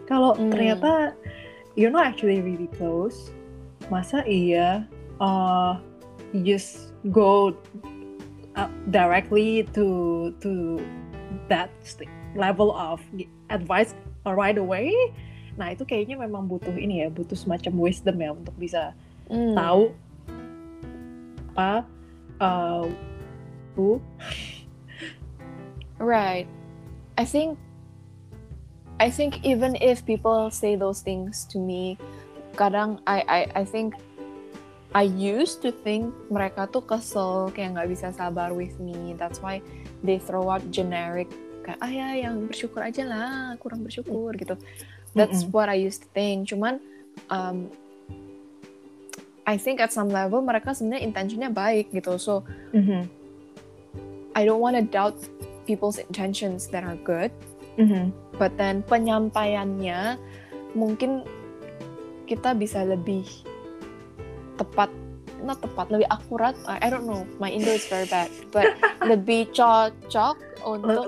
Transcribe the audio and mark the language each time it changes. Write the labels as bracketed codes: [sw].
[id] Kalau ternyata [en] you're not actually really close, [id] masa iya [en] you just go directly to that level of advice right away. [id] Nah itu kayaknya memang butuh ini ya, butuh semacam wisdom ya untuk bisa tahu apa [en] Right. I think even if people say those things to me, [id] kadang [en] I think I used to think [id] mereka tuh kesel, kayak gak bisa sabar [en] with me. That's why they throw out generic, [id] kayak, ah ya, yang bersyukur aja lah, kurang bersyukur, gitu. [en] That's what I used to think. [id] Cuman, [en] I think at some level, [id] mereka sebenarnya intentionnya baik, gitu. [en] So, I don't want to doubt people's intentions that are good. But then, [id] penyampaiannya, mungkin kita bisa lebih tepat, [en] not [id] tepat, lebih akurat, [en] I don't know, my Indo is very bad, but [id] lebih cocok untuk